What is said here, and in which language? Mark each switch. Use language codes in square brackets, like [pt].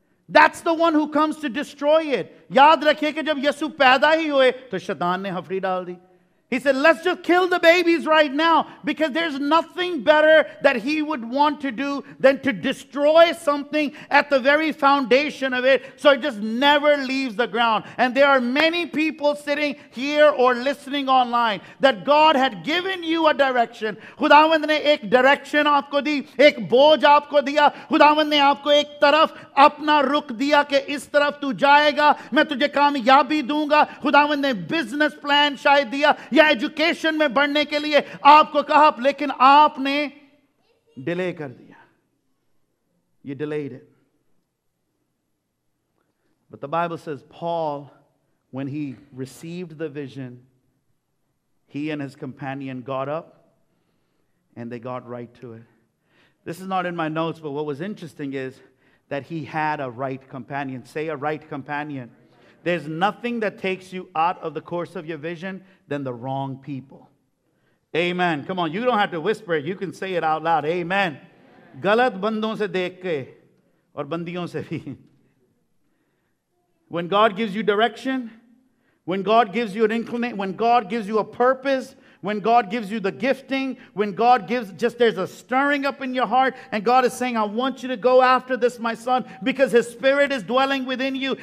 [en] that's the one who comes to destroy it [hi] याद रखिए कि जब यसु पैदा ही हुए तो शैतान ने हफड़ी डाल दी [en] He said, let's just kill the babies right now because there's nothing better that he would want to do than to destroy something at the very foundation of it so it just never leaves the ground. And there are many people sitting here or listening online that God had given you a direction. [hi] Khudaavand ne ek direction aapko di, ek bojh aapko diya. Khudaavand ne aapko ek taraf apna ruk diya ke is taraf tu jayega, main tujhe kamyabi dunga. Khudaavand ne business plan shayad diya. या education में बढ़ने के लिए आपको कहा लेकिन आपने delay कर दिया [en] ये delayed it but the Bible says Paul when he received the vision he and his companion got up and they got right to it this is not in my notes but what was interesting is that he had a right companion say a right companion There's nothing that takes you out of the course of your vision than the wrong people. Amen. Come on, you don't have to whisper it. You can say it out loud. Amen. [hi] Galat bandon se dekh ke aur bandiyon se bhi. [en] When God gives you direction, when God gives you an inclination, when God gives you a purpose, when God gives you the gifting, when God gives, just there's a stirring up in your heart, and God is saying, I want you to go after this, my son, because His Spirit is dwelling within you.